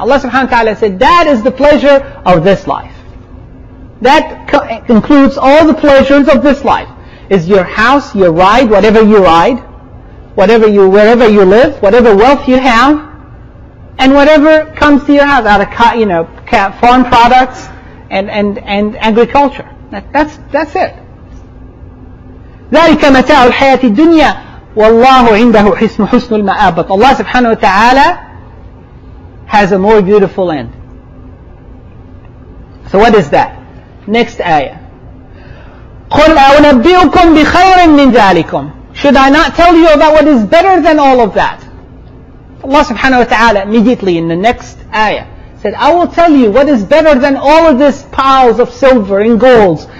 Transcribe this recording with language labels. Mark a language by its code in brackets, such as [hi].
[en] Allah Subhanahu wa Taala said, that is the pleasure of this life. That includes all the pleasures of this life. Is your house, your ride, whatever you ride, whatever you, wherever you live, whatever wealth you have, and whatever comes to your house out of, you know, farm products and agriculture. That's it. [ar] ذلك متاع الحياة الدنيا والله عنده حسن المآب. [en] But Allah subhanahu wa ta'ala has a more beautiful end. So what is that? Next ayah. [ar] قُلْ أَوْنَبِّئُكُمْ بِخَيْرٍ مِّنْ ذَلِكُمْ. [en] Should I not tell you about what is better than all of that? Allah subhanahu wa ta'ala immediately in the next ayah said, I will tell you what is better than all of this piles of silver and gold.